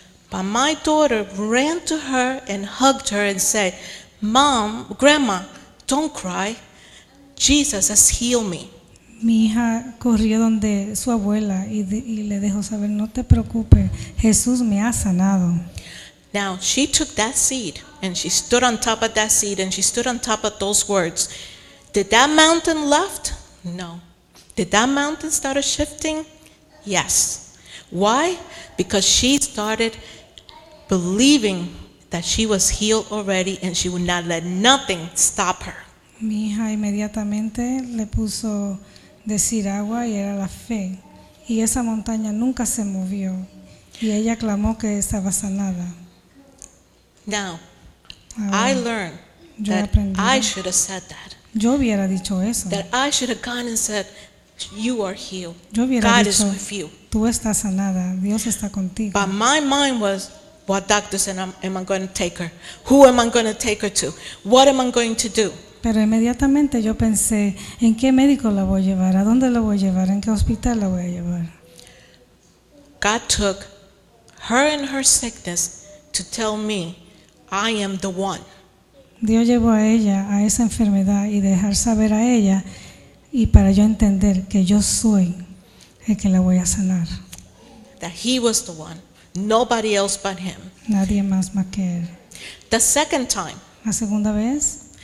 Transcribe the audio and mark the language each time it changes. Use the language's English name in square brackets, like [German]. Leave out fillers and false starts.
[English] But my daughter ran to her and hugged her and said, "Mom, Grandma, don't cry. Jesus has healed me." [Spanish] Mi hija corrió donde su abuela y le dejó saber, "No te preocupes, Jesús me ha sanado." [English] Now she took that seed and she stood on top of that seed and she stood on top of those words. Did that mountain left? No. Did that mountain start shifting? Yes. Why? Because she started believing that she was healed already and she would not let nothing stop her. [Spanish] Mi hija inmediatamente le puso decir agua y era la fe. Y esa montaña nunca se movió. Y ella clamó que estaba sanada. [English] Now, I learned that I should have said that. [Spanish] Yo hubiera dicho eso. [English] That I should have gone and said, "You are healed. [Spanish] Yo hubiera [English] God [Spanish] dicho, [English] is with you. [Spanish] Tú estás sanada. Dios está contigo." [English] But my mind was, "What doctor am I going to take her? Who am I going to take her to? What am I going to do?" [Spanish] Pero inmediatamente yo pensé, ¿en qué médico la voy a llevar? ¿A dónde la voy a llevar? ¿En qué hospital la voy a llevar? [English] God took her and her sickness to tell me, "I am the one." [Spanish] Dios llevó a ella a esa enfermedad y dejar saber a ella. Y para yo entender que yo soy el que la voy a sanar. [English] That he was the one. Nobody else but him. [Spanish] Nadie más que él. [English] The second time. [Spanish] La segunda vez.